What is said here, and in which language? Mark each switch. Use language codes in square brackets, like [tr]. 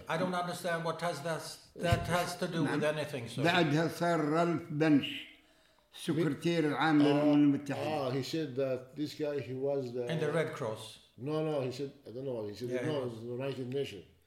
[en] I don't understand what has to do with anything. So. [ar] بعدها صار رالف بنش سكرتير العام للأمم المتحدة. [en] Ah, he said that this guy he was the. In the Red Cross. No, he said I don't know. He said yeah, no, yeah. It's the United Nations.